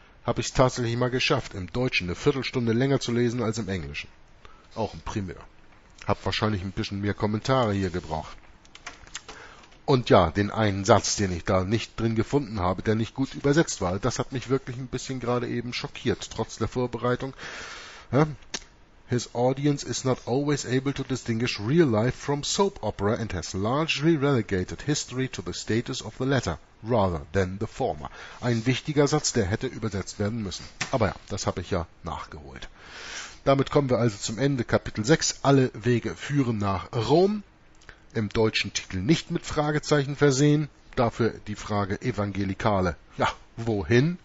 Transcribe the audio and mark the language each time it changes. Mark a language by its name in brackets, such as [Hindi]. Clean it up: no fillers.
[German] Habe ich es tatsächlich mal geschafft, im Deutschen eine Viertelstunde länger zu lesen als im Englischen. Auch ein Primär. Hab wahrscheinlich ein bisschen mehr Kommentare hier gebraucht. Und ja, den einen Satz, den ich da nicht drin gefunden habe, der nicht gut übersetzt war, das hat mich wirklich ein bisschen gerade eben schockiert, trotz der Vorbereitung. [English] His audience is not always able to distinguish real life from soap opera and has largely relegated history to the status of the latter rather than the former. [German] Ein wichtiger Satz, der hätte übersetzt werden müssen. Aber ja, das habe ich ja nachgeholt. Damit kommen wir also zum Ende, Kapitel 6, Alle Wege führen nach Rom. Im deutschen Titel nicht mit Fragezeichen versehen, dafür die Frage Evangelikale, ja, wohin?